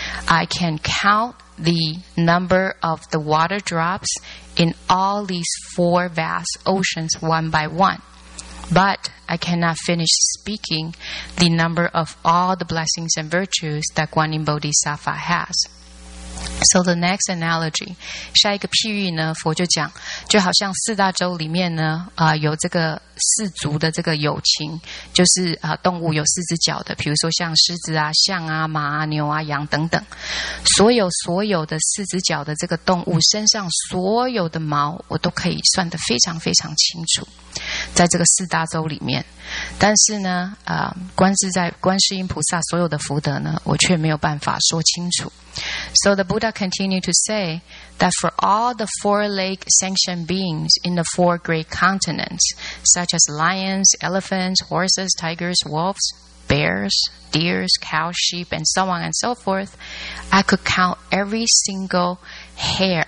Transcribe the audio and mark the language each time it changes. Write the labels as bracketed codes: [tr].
[en] I can count the number of the water drops in all these four vast oceans one by one, but I cannot finish speaking the number of all the blessings and virtues that Guanyin Bodhisattva has. So the next analogy, [zh] 下一个譬喻呢，佛就讲，就好像四大洲里面呢，有这个四足的这个友情，就是动物有四只脚的，比如说像狮子啊、象啊、马啊、牛啊、羊等等，所有的四只脚的这个动物身上所有的毛，我都可以算得非常非常清楚，在这个四大洲里面。但是呢，观世音菩萨所有的福德呢，我却没有办法说清楚。 [en] So the Buddha continued to say that for all the four lake sentient beings in the four great continents, such as lions, elephants, horses, tigers, wolves, bears, deers, cows, sheep, and so on and so forth, I could count every single hair.